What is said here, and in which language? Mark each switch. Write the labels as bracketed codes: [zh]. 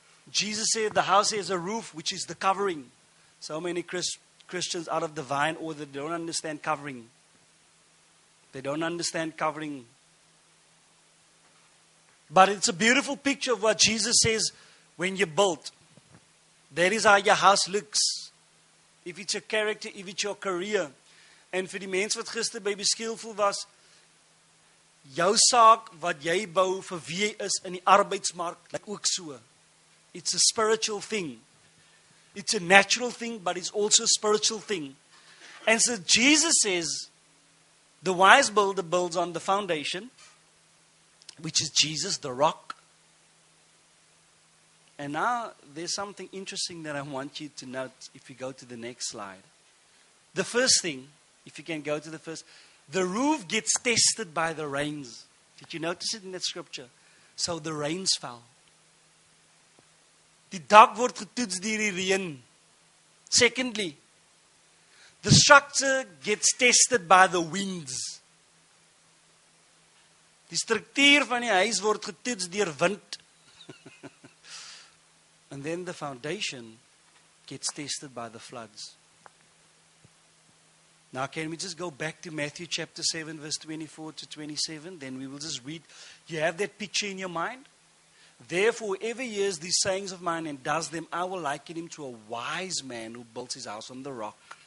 [en] Jesus said the house has a roof, which is the covering. So many Christians out of the vine, or they don't understand covering. They don't understand covering. But it's a beautiful picture of what Jesus says when you're built. That is how your house looks. If it's your character, if it's your career. And for [af] die mens wat gister baby skillful was, jou saak wat jy bou vir wie jy is in die arbeidsmark, like ook so. [en] It's a spiritual thing. It's a natural thing, but it's also a spiritual thing. And so Jesus says, the wise builder builds on the foundation, which is Jesus, the rock. And now there's something interesting that I want you to note if you go to the next slide. The first thing, if you can go to the first, the roof gets tested by the rains. Did you notice it in that scripture? So the rains fell. [af] Die dak word getoets deur die reën. [en] Secondly, the structure gets tested by the winds. [af] Die struktuur van die huis word getoets deur wind. [en] And then the foundation gets tested by the floods. Now, can we just go back to Matthew chapter 7, verse 24 to 27? Then we will just read. You have that picture in your mind? Therefore, whoever hears these sayings of mine and does them, I will liken him to a wise man who built his house on the rock.